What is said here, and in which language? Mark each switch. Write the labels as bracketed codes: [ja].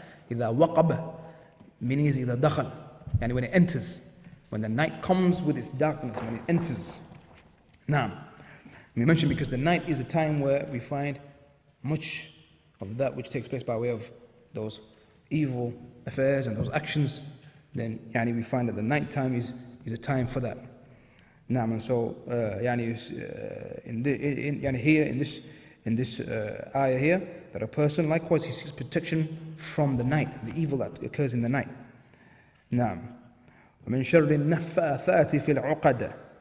[ar] إذا وقب [en] meaning is [ar] إذا دخل. [en] يعني when it enters. When the night comes with its darkness, when it enters. Now, we mentioned because the night is a time where we find much of that which takes place by way of those evil affairs and those actions, then yani we find that the night time is a time for that. Naam, and so in this ayah here, that a person likewise he seeks protection from the night, the evil that occurs in the night. Naam. [ar] ومن شر النفاثات في العقد.